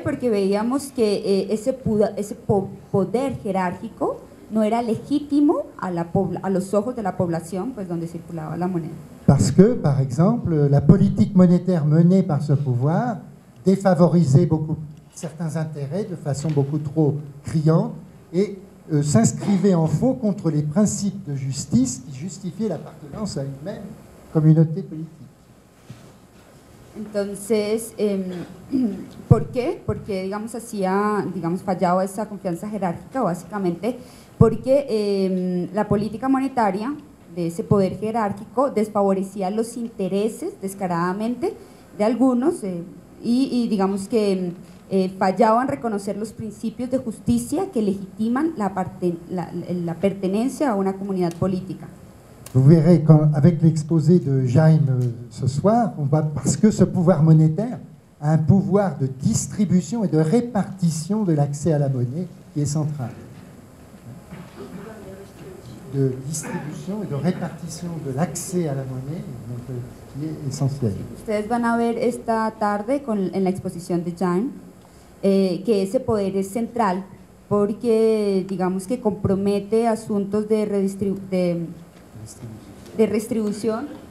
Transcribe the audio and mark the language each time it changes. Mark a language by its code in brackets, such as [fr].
[es] Porque veíamos que ese poder jerárquico no era legítimo a los ojos de la población, pues donde circulaba la moneda. [fr] Parce que, par exemple, la politique monétaire menée par ce pouvoir défavorisait beaucoup certains intérêts de façon beaucoup trop criante et s'inscrivait en faux contre les principes de justice qui justifiaient l'appartenance à une même communauté politique. [es] Entonces, ¿por qué? Porque digamos hacía, digamos fallaba esa confianza jerárquica básicamente porque la política monetaria de ese poder jerárquico desfavorecía los intereses descaradamente de algunos y digamos que fallaban reconocer los principios de justicia que legitiman la pertenencia a una comunidad política. [fr] Vous verrez avec l'exposé de Jaime ce soir, on va parce que ce pouvoir monétaire a un pouvoir de distribution et de répartition de l'accès à la monnaie qui est central. De distribution et de répartition de l'accès à la monnaie donc, qui est essentiel. [es] Ustedes van a ver esta tarde en la exposición de Jaime. Que ese poder es central porque digamos que compromete asuntos de redistribución.